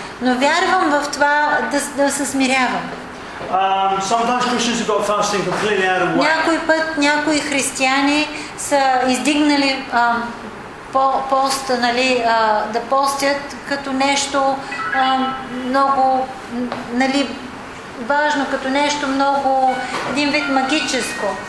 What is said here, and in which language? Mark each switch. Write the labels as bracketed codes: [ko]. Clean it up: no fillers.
[bg] Но вярвам в това да се смирявам. [en] Sometimes Christians have got fasting completely out of whack. [bg] Някой път някои християни са издигнали поста, нали, да постят като нещо много, нали, важно, като нещо много един вид магическо.